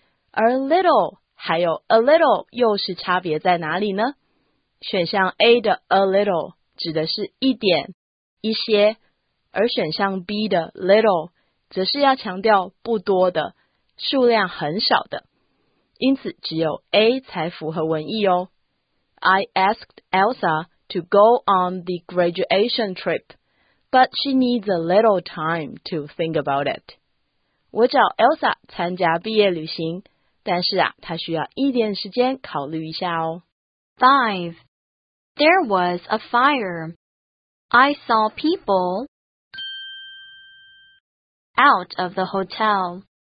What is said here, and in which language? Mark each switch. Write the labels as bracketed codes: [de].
[zh] 而 little 还有 a little 又是差别在哪里呢？选项 A 的 a little 指的是一点、一些，而选项 B 的 little 则是要强调不多的、数量很少的，因此只有 A 才符合文意哦。 [en] I asked Elsa to go on the graduation trip, but she needs a little time to think about it. [zh] 我找 Elsa 参加毕业旅行，但是啊，他需要一点时间考虑一下哦。 [en] 5. There was a fire. I saw people out of the hotel.